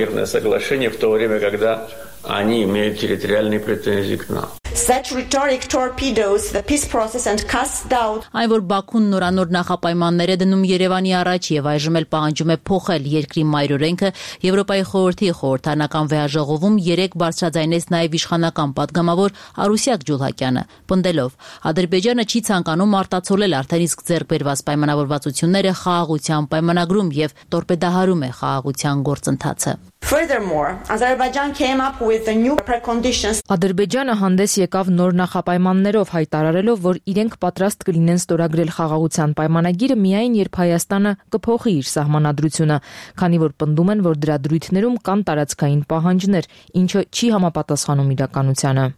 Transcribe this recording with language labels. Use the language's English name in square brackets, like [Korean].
[Russian] Они имеют территориальные претензии к нам. [English] Such rhetoric torpedoes the peace process and casts doubt. [Armenian] Այն որ Բաքուն նորանոր նախապայմաններ է դնում Երևանի առաջ եւ այժմ էլ պահանջում է փոխել երկրի մայրօրենքը, Եվրոպայի խորհրդի խորհրդանական վեհաժողովում 3 բարձրաձայնեց նաեւ իշխանական падգամավոր Արուսյակ Ջուլհակյանը, պնդելով, Ադրբեջանը չի ցանկանում արտացոլել արդեն իսկ ձեռքբերված պայմանավորվածությունները խաղաղության պայմանագրում եւ տորպեդահարում է խաղաղության գործընթացը։ [English] Furthermore, Azerbaijan came up with the new preconditions. [Armenian] Ադրբեջանը հանդես եկավ նոր նախապայմաններով, հայտարարելով, որ իրենք պատրաստ կլինեն ստորագրել խաղաղության պայմանագիրը միայն երբ Հայաստանը կփոխի իր սահմանադրությունը, քանի որ պնդում են, որ դրա դրույթներում կան տարածքային պահանջներ, ինչը չի համապատասխանում իրականությանը.